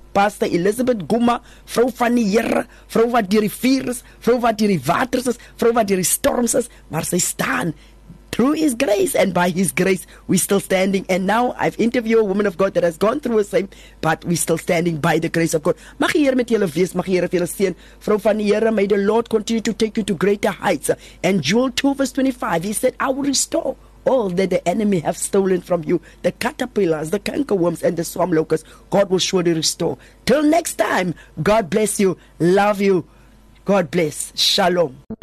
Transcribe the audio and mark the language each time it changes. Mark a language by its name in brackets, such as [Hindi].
[Afrikaans] Pastor Elizabeth Guma, vrou van die Here, vrou wat die rivier is, vrou wat die waters is, vrou wat die storms is, maar sy staan. [English] through His grace, and by His grace we're still standing. And now I've interviewed a woman of God that has gone through the same, but we're still standing by the grace of God. [Afrikaans] Mag die Here met julle wees, mag die Here vir julle seën. Vrou van die Here, [English] may the Lord continue to take you to greater heights. And Joel 2 verse 25, He said, I will restore all that the enemy have stolen from you, the caterpillars, the cankerworms, and the swarm locusts, God will surely restore. Till next time, God bless you. Love you. God bless. Shalom.